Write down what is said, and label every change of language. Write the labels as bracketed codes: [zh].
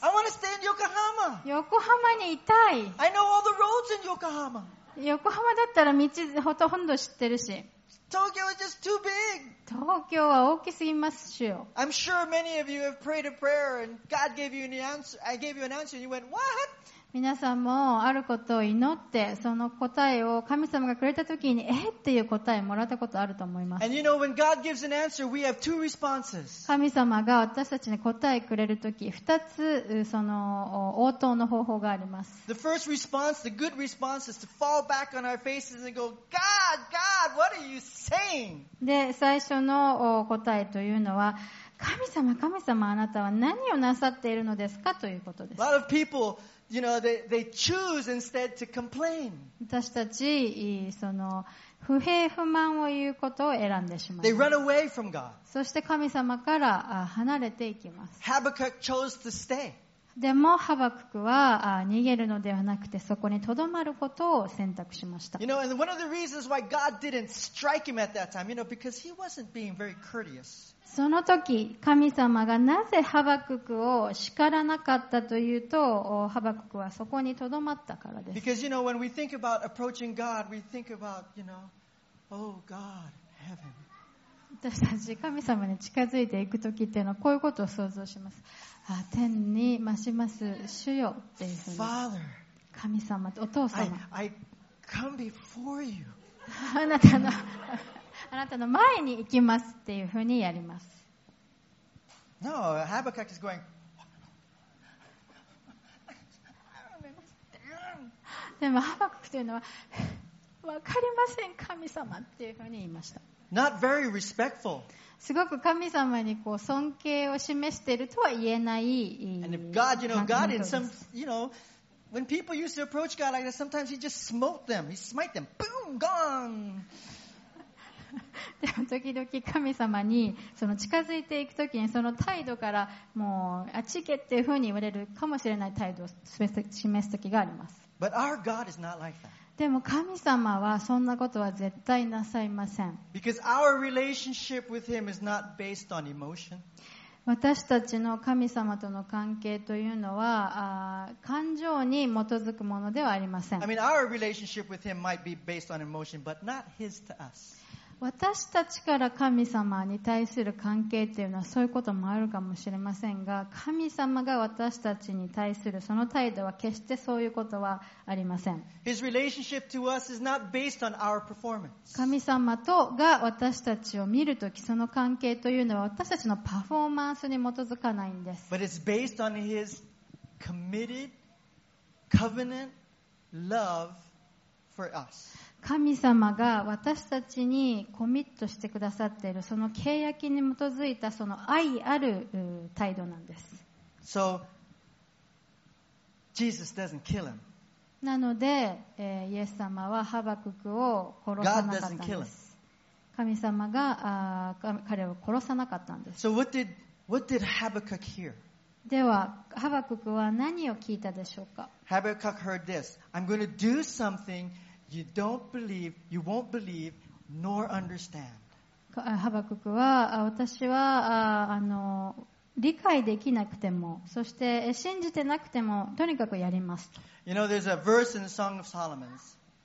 [en] I want to stay in Yokohama. [ja] 横浜にいたい。 [en] I know all the roads in Yokohama. [ja] 横浜だったら道ほとんど知ってるし。 [en] Tokyo is just too big. [ja] 東京は大きすぎますしよ。 [en] I'm sure many of you have prayed a prayer and God gave you an answer. I gave you an answer and you went, what? [ja] 皆さんもあることを祈ってその答えを神様がくれた時にえっていう答えをもらったことあると思います。 [en] And you know, when God gives an answer, we have two responses. [ja] 神様が私たちに答えくれる時、二つその応答の方法があります。 [en] The first response, the good response, is to fall back on our faces and go, God, God, what are you saying? [ja] で、最初の答えというのは神様、神様、あなたは何をなさっているのですかということです。 [en] A lot of people, you know, they choose instead to complain. [ja] 私たち、その、不平不満を言うことを選んでしまう。 [en] They run away from God. [ja] そして神様から離れていきます。 [en] Habakkuk chose to stay. [ja] でも、ハバククは逃げるのではなくて、そこに留まることを選択しました。 [en] You know, and one of the reasons why God didn't strike him at that time, you know, because he wasn't being very courteous. [ja] その時神様がなぜハバククを叱らなかったというと、ハバククはそこに留まったからです。 [en] Because you know when we think about approaching God, we think about you know, oh God, heaven. [ja] 私たち神様に近づいていく時っていうのはこういうことを想像します。あ、天に増します主よっていう。 [en] Father. [ja] 神様、お父様。 [en] I come before you. [ja] あなたの。あなたの前に行きますっていうふうにやります。 [en] No, Habakkuk is going. [ja] でもハバククというのは分かりません神様っていうふうに言いました。 [en] Not very respectful. [ja] すごく神様にこう尊敬を示しているとは言えない。 [en] And if God, you know, God in some, you know, when people used to approach God like that, sometimes He just smote them. He smite them. Boom, gone. [ja] でも時々神様にその近づいていくときにその態度からもうあっち行けっていうふうに言われるかもしれない態度を示すときがあります。 [en] But our God is not like that. [ja] でも神様はそんなことは絶対なさいません。 [en] Because our relationship with him is not based on emotion. [ja] 私たちの神様との関係というのは、感情に基づくものではありません。 [en] I mean, our relationship with him might be based on emotion, but not his to us. [ja] 私たちから神様に対する関係というのはそういうこともあるかもしれませんが、神様が私たちに対するその態度は決してそういうことはありません。 [en] His relationship to us is not based on our performance. [ja] 神様とが私たちを見るとき、その関係というのは私たちのパフォーマンスに基づかないんです。 [en] But it's based on his committed covenant love for us. [ja] 神様が私たちにコミットしてくださっているその契約に基づいたその愛ある態度なんです。 [en] So, Jesus doesn't kill him. [ja] なので、イエス様はハバククを殺さなかったんです。神様が彼を殺さなかったんです。 [en] So, what did Habakkuk hear? [ja] ではハバククは何を聞いたでしょうか。 [en] Habakkuk heard this. I'm going to do something. You don't believe, you won't believe, nor understand. [ja] ハバククは、私は理解できなくても、そして信じてなくても、とにかくやりますと。 [en] You know, there's a verse in the Song of Solomon's.